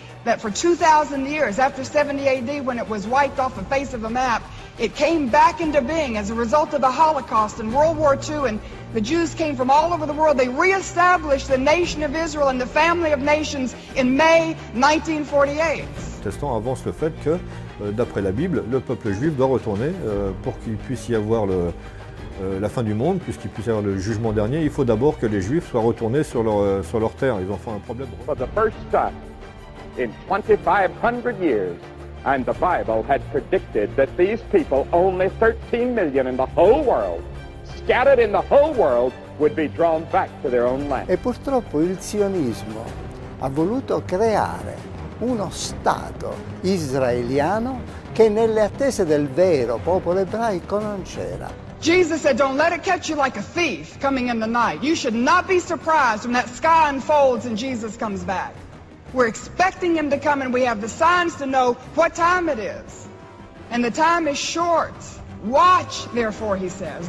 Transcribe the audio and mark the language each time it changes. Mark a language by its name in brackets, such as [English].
[English] That for 2,000 years, after 70 AD, when it was wiped off the face of the map, it came back into being as a result of the Holocaust and World War II, and the Jews came from all over the world. They reestablished the nation of Israel and the family of nations in May 1948. [French] Testons avance le fait que, d'après la Bible, le peuple juif doit retourner pour qu'il puisse y avoir la fin du monde, puisqu'il puisse y avoir le jugement dernier. Il faut d'abord que les Juifs soient retournés sur leur terre. Ils ont fait un problème. [English] For the first time in 2,500 years, and the Bible had predicted that these people, only 13 million in the whole world, scattered in the whole world, would be drawn back to their own land. [Italian] E purtroppo il sionismo ha voluto creare uno stato israeliano che nelle attese del vero popolo ebraico non c'era. [English] Jesus said, don't let it catch you like a thief coming in the night. You should not be surprised when that sky unfolds and Jesus comes back. We're expecting him to come and we have the signs to know what time it is. And the time is short. Watch, therefore, he says.